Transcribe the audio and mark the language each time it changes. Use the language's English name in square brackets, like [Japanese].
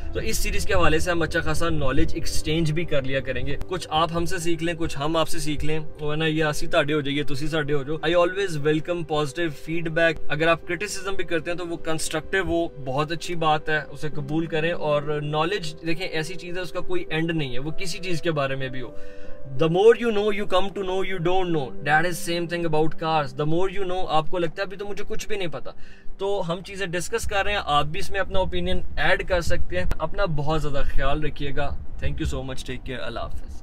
[Hindi] तो इस सीरीज़ के हवाले से हम अच्छा खासा नॉलेज एक्सचेंज भी कर लिया करेंगे, कुछ आप हमसे सीख लें, कुछ हम आपसे सीख लें, वरना ये [Punjabi] असी ताडे हो जाइए, तुसी साडे हो जाओ। [English] I always welcome positive feedback. [Hindi] अगर आप क्रिटिसिज्म भी करते हैं तो वो कंस्ट्रक्टिव हो, बहुत अच्छी बात है, उसे कबूल करें। और नॉलेज देखें ऐसी चीज़ है, उसका कोई एंड नहीं है, वो किसी चीज़ के बारे में भी हो। [English] The more you know, you come to know you don't know. That is same thing about cars. The more you know, [Hindi] आपको लगता है अभी तो मुझे कुछ भी नहीं पता। तो हम चीज़ें डिस्कस कर रहे हैं, आप भी इसमें अपना ओपिनियन ऐड कर सकते हैं। अपना बहुत ज़्यादा ख्याल रखिएगा। [English] thank you so much, take care, [Hindi] अल्लाह हाफिज़।